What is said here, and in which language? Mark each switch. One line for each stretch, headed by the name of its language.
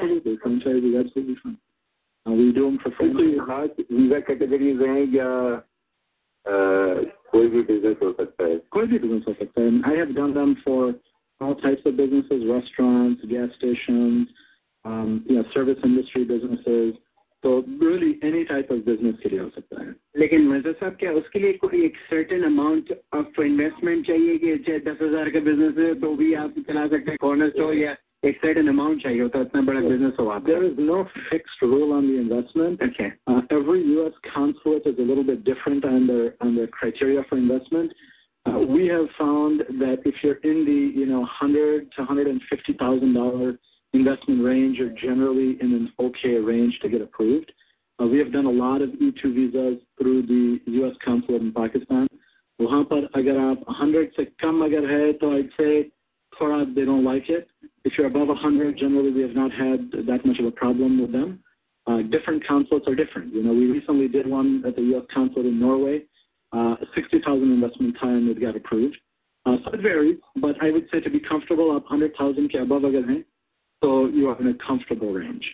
English: Absolutely, franchise is absolutely fine. We do them for franchise. So you have visa categories or
Hindi: koi bhi business ho sakta hai. Koi bhi business ho sakta hai.
English: I have done them for all types of businesses, restaurants, gas stations, service industry businesses.
Hindi: तो
English: really any type of business
Hindi: के लिए हो सकता है लेकिन मजर साहब क्या उसके लिए कोई एक
English: certain amount of investment
Hindi: चाहिए कि चाहे 10,000 का बिजनेस है तो भी आप चला सकते हैं कॉर्नर स्टोर या एक सर्टेन अमाउंट चाहिए होता है इतना बड़ा बिजनेस हो आप
English: There is no fixed rule on the investment okay every US consulate is a little bit different on the criteria for investment we have found that if you are in the you know $100,000 to $150,000 investment range are generally in an okay range to get approved. We have done a lot of E2 visas through the U.S. Consulate in Pakistan.
Hindi: वहाँ पर अगर आप 100 से कम अगर है तो I'd say थोड़ा
English: they don't like it. If you're above 100, generally we have not had that much of a problem with them. Different consulates are different. You know, we recently did one at the U.S. consulate in Norway. 60,000 investment time it got approved. So it varies, but I would say to be comfortable, up 100,000
Hindi: ke above agar hain,
English: so you are in a comfortable range.